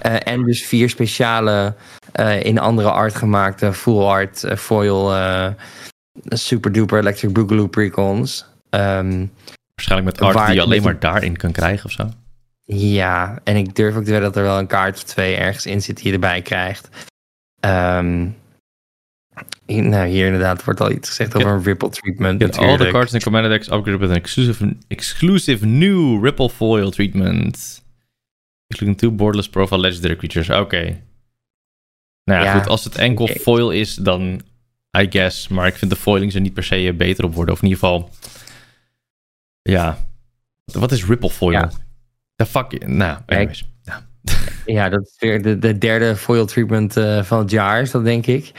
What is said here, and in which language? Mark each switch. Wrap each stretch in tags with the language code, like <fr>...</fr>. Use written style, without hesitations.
<nl>En dus vier speciale in andere art gemaakte full art foil super duper electric boogaloo precons. Waarschijnlijk met art die je alleen maar daarin kan krijgen ofzo. Ja, en ik durf ook te weten dat er wel een kaart of twee ergens in zit die je erbij krijgt. Nou, hier inderdaad wordt al iets gezegd over een ripple treatment.</nl> <en>Get all the cards in Commander decks upgraded with an exclusive new ripple foil treatment. Including two borderless profile legendary creatures.</en> <nl>Oké. Nou ja, goed, als het enkel foil is, dan</nl> <en>I guess.</en> <nl>Maar ik vind de foilings er niet per se beter op worden. Of in ieder geval, ja. Wat is ripple foil?</nl> <en>The fuck?</en> <nl>Nou, anyways. Ja, dat is weer de derde foil treatment van het jaar, is dat denk ik.</nl>